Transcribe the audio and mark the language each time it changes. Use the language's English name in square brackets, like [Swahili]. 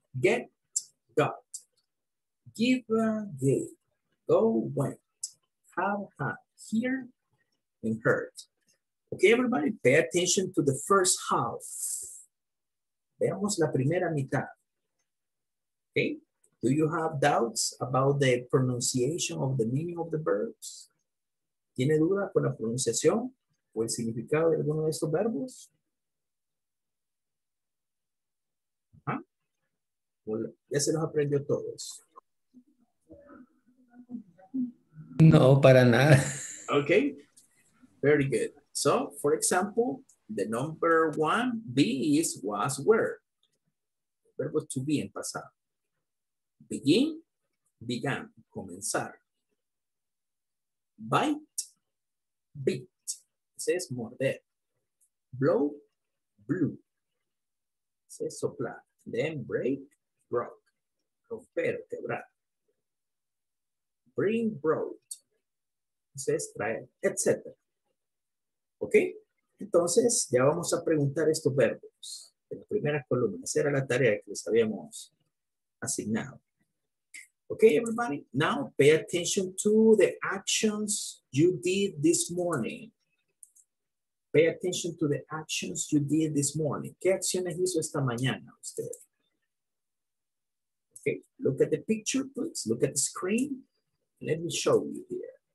[English] Get, got. Give, gave. Go, went. Have, had. Hear, and heard. Okay, everybody, pay attention to the first half. [Spanish] Veamos la primera mitad. [English] Okay, do you have doubts about the pronunciation of the meaning of the verbs? [Spanish] ¿Tiene duda con la pronunciación o el significado de alguno de estos verbos? Well, ya se los aprendió todos. No, para nada. [English] Okay, very good. So, for example, the number one, be, is, was, were. [Spanish] Verbo to be en pasado. Begin, began, comenzar. Bite, beat. Ese es morder. Blow, blew. Ese es soplar. [English] Then break, broke. [Spanish] Romper, quebrar. [English] Bring, broke. [Spanish] Ese es traer, etc. ¿Ok? Entonces, ya vamos a preguntar estos verbos de la primera columna. Esa era la tarea que les habíamos asignado. [English] ¿Ok, everybody? Now, pay attention to the actions you did this morning. Pay attention to the actions you did this morning. [Spanish] ¿Qué acciones hizo esta mañana usted? [English] ¿Ok? Look at the picture, please. Look at the screen. Let me show you here.